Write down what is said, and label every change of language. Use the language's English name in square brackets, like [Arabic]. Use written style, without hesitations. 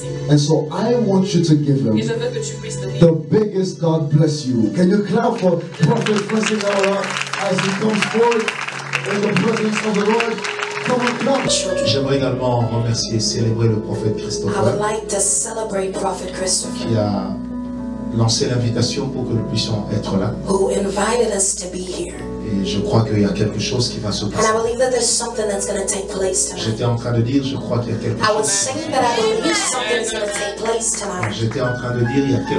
[English] And so I want you to give him the biggest God bless you. Can you clap for Prophet Francis Ngawala as he comes forward in the presence of the Lord? [French] J'aimerais également remercier et célébrer le prophète Christopher. [English] I would like to celebrate Prophet Christopher. [French] Qui a lancé l'invitation pour que nous puissions être là. [English] Who invited us to be here. [French] Et je crois qu'il y a quelque chose qui va se passer. [English] And I believe that there's something that's going to take place tonight. [French] J'étais en train de dire, je crois qu'il y a quelque chose. [English] I was saying that I believe something is going to take place tonight. [French] J'étais en train de dire, il y a quelque chose.